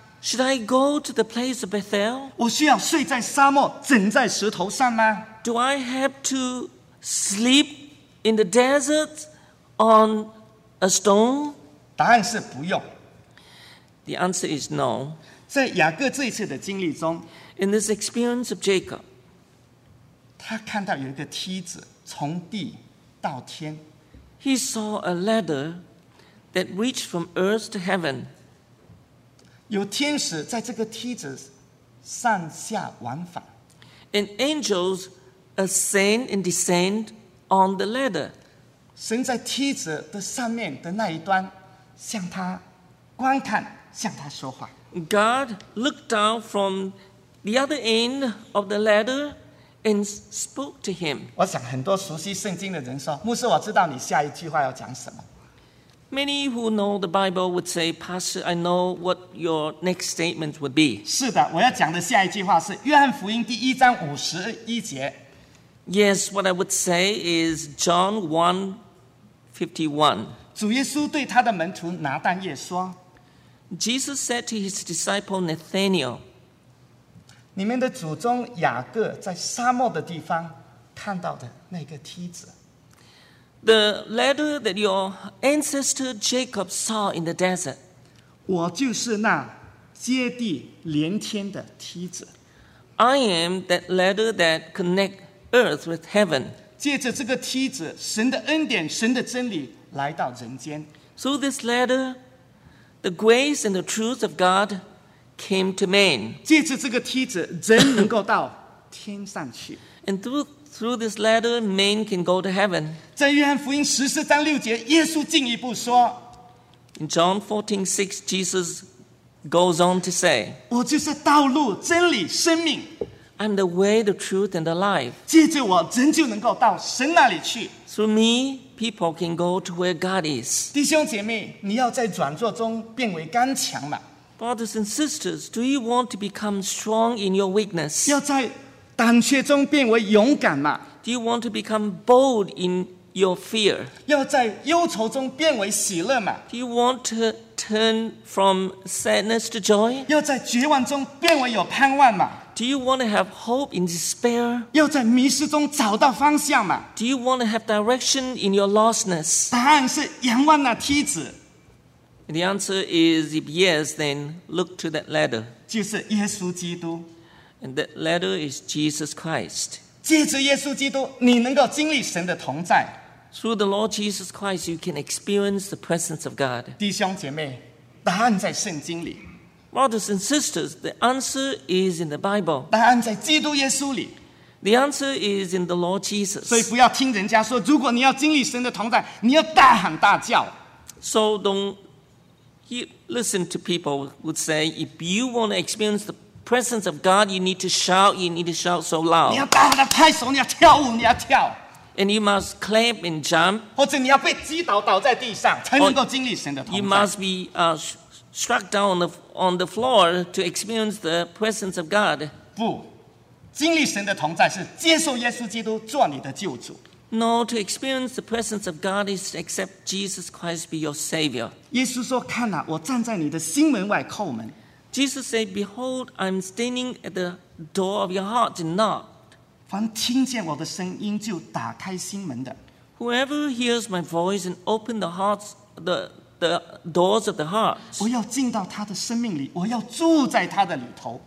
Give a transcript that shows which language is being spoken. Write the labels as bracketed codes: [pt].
[en] Should I go to the place of Bethel? [zh] 我需要睡在沙漠，枕在石头上吗？ [en] Do I have to sleep in the desert on a stone? [zh] 答案是不用。 [en] The answer is no. [zh] 在雅各这一次的经历中， [en] In this experience of Jacob, [zh] 他看到有一个梯子从地到天。 [en] He saw a ladder that reached from earth to heaven. [zh] 有天使在这个梯子上下往返。 [en] And angels ascend and descend on the ladder. [zh] 神在梯子的上面的那一端向他观看，向他说话。 [en] God looked down from the other end of the ladder and spoke to him. [zh] 我想很多熟悉圣经的人说，牧师，我知道你下一句话要讲什么。 [en] Many who know the Bible would say, Pastor, I know what your next statement would be. [zh] 是的，我要讲的下一句话是约翰福音第一章五十一节。 [en] Yes, what I would say is John 1:51. [zh] 主耶稣对他的门徒拿但业说， [en] Jesus said to his disciple Nathanael, [zh] 你们的祖宗雅各在沙漠的地方看到的那个梯子。 [en] The ladder that your ancestor Jacob saw in the desert. [zh] 我就是那接地连天的梯子。 [en] I am that ladder that connects Earth with heaven. [zh] 借着这个梯子，神的恩典，神的真理来到人间。 [en] So this ladder, the grace and the truth of God came to man. [zh] 借着这个梯子，人能够到天上去。 [en] And through this ladder, man can go to heaven. [zh] 在约翰福音十四章六节，耶稣进一步说， [en] In John 14:6, Jesus goes on to say, [zh] 我就是道路、真理、生命。 [en] I'm the way, the truth, and the life. [zh] 借着我，人就能够到神那里去。 [en] Through me, people can go to where God is. [zh] 弟兄姐妹，你要在软弱中变为刚强吗？ [en] Brothers and sisters, do you want to become strong in your weakness? [zh] 要在胆怯中变为勇敢吗？ [en] Do you want to become bold in your fear? [zh] 要在忧愁中变为喜乐吗？ [en] Do you want to turn from sadness to joy? [zh] 要在绝望中变为有盼望吗？ [en] Do you want to have hope in despair? [zh] 要在迷失中找到方向吗？ [en] Do you want to have direction in your lostness? [zh] 答案是仰望那梯子。 [en] The answer is if yes, then look to that ladder. [zh] 就是耶稣基督。 [en] And that ladder is Jesus Christ. [zh] 借着耶稣基督，你能够经历神的同在。 [en] Through the Lord Jesus Christ, you can experience the presence of God. [zh] 弟兄姐妹，答案在圣经里。 [en] Brothers and sisters, the answer is in the Bible. [zh] 答案在基督耶稣里。 [en] The answer is in the Lord Jesus. [zh] 所以不要听人家说，如果你要经历神的同在，你要大喊大叫。 [en] So don't listen to people who say, if you want to experience the presence of God, you need to shout. You need to shout so loud. [zh] 你要大声地拍手，你要跳舞，你要跳。 [en] And you must clap and jump. [zh] 或者你要被击倒，倒在地上，才能够经历神的同在。 [en] You must be struck down on the floor to experience the presence of God. [zh] 不，经历神的同在是接受耶稣基督做你的救主。 [en] No, to experience the presence of God is to accept Jesus Christ be your Savior. [zh] 耶稣说：“看啊，我站在你的心门外叩门。” [en] Jesus said, "Behold, I'm standing at the door of your heart and knock." [zh] 凡听见我的声音就打开心门的 [en] ，Whoever hears my voice and open the doors of the heart. [zh] 我要进到他的生命里，我要住在他的里头。